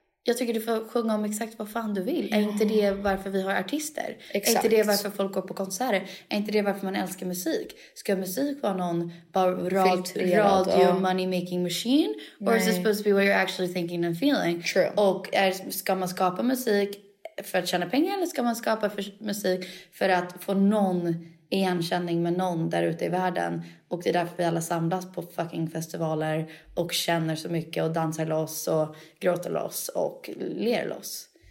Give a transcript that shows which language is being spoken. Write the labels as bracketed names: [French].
[Swedish] Jag tycker du får sjunga om exakt vad fan du vill. Är inte det varför vi har artister? Exakt. Är inte det varför folk går på konserter? Är inte det varför man älskar musik? Ska musik vara någon [English] radio money making machine? Or is it supposed to be what you're actually thinking and feeling? True. [Swedish] Och ska man skapa musik för att tjäna pengar? Eller ska man skapa musik för att få någon igenkänning med någon där ute i världen? Och det är därför vi alla samlas på fucking festivaler och känner så mycket och dansar loss och gråter loss och ler loss.